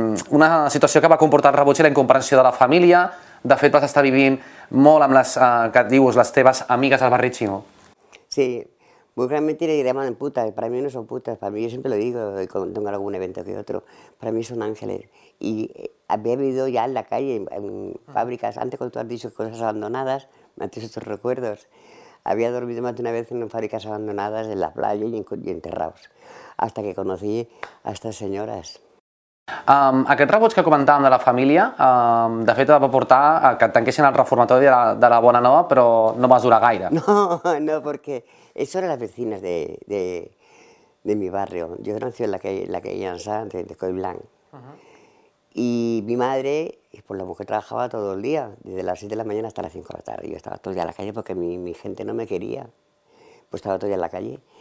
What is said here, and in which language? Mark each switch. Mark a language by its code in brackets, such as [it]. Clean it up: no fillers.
[ca] Una situació que va comportar el rebuig i la incomprensió de la família. De fet, vas estar vivint molt amb les, que dius, les teves amigues al barri xino. [es] Sí, muy realmente le llaman putas. Para mí no son putas, para mí yo siempre lo digo cuando tengo algún evento que otro. Para mí son ángeles. Y había vivido ya en la calle, en fábricas, antes cuando tú has dicho cosas abandonadas, me haces estos recuerdos. Había dormido más de una vez en fábricas abandonadas, en la playa y enterrados, hasta que conocí a estas señoras. [ca] Aquest rebuig que comentàvem de la família, de fet, va portar a que et tanquessin al reformatori de la Bona Nova, però no vas durar gaire. [es] No, no, porque eso eran las vecinas de mi barrio. Yo nací en la que llanza, de Coiblanc. Y mi madre, pues la mujer trabajaba todo el día, desde las 6 de la mañana hasta las 5 de la tarde. Yo estaba todo el día en la calle porque mi gente no me quería. Pues estaba todo el día en la calle.